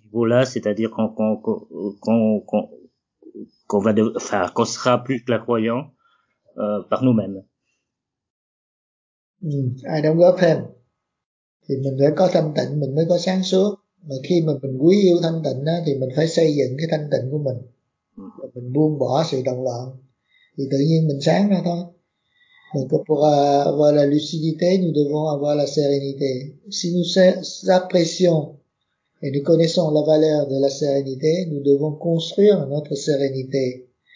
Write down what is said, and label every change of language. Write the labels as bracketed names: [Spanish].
[French] niveau-là, c'est-à-dire qu'on sera plus clairvoyant par nous-mêmes. [Vietnamese] Ai đóng góp thêm thì mình phải có thanh tịnh, mình mới có sáng suốt. Mà khi mà mình quý yêu thanh tịnh á, thì mình phải xây dựng cái thanh tịnh của mình, và mình buông bỏ sự động loạn thì tự nhiên mình sáng ra thôi. [French] Donc pour avoir la lucidité, nous devons avoir la sérénité. Si nous apprécions et nous connaissons la valeur de la sérénité, nous devons construire notre sérénité.